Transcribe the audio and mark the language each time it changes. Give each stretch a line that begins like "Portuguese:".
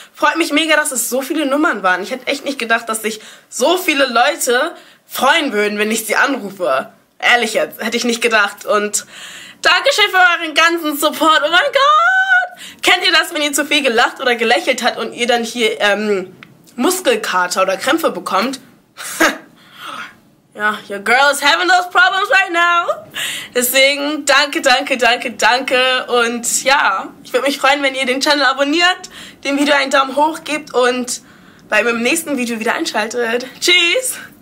German: Freut mich mega, dass es so viele Nummern waren. Ich hätte echt nicht gedacht, dass sich so viele Leute freuen würden, wenn ich sie anrufe. Ehrlich jetzt, hätte ich nicht gedacht. Und Dankeschön für euren ganzen Support. Oh mein Gott! Kennt ihr das, wenn ihr zu viel gelacht oder gelächelt habt und ihr dann hier Muskelkater oder Krämpfe bekommt?
English: Ja, your girl is having those problems right now.
German: Deswegen danke, danke, danke, danke. Und ja, ich würde mich freuen, wenn ihr den Channel abonniert, dem Video einen Daumen hoch gebt und bei mir im nächsten Video wieder einschaltet. Tschüss!